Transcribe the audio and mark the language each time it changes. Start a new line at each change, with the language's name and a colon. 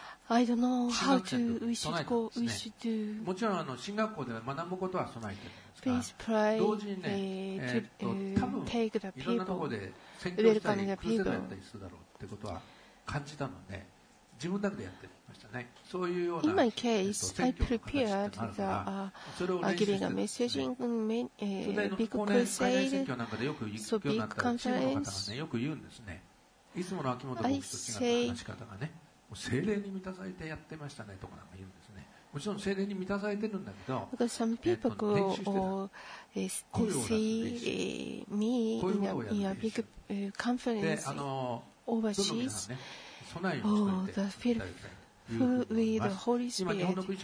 English: I don't know how to we should go we should do
Japanese: もちろんあの進学校では学ぶことは備えてるんですが同時にね多分いろんなところで宣教したり苦戦だったりするだろうってことは感じたので自分だけでやってましたね。そういうような
English: In my case,
Japanese: 宣教の形ってのがあるからそれを練習してるんですね。それで高年海外宣教なんかでよく行くようになったらチームの方がねよく言うんですね。いつもの秋元牧師と違った話し方がね精霊に満たされてやってましたねとかなんか言うんですね。もちろん聖霊に満たされてるんだけど、
English: some people go to see me in a big conference overseas or the field with the Holy Spirit.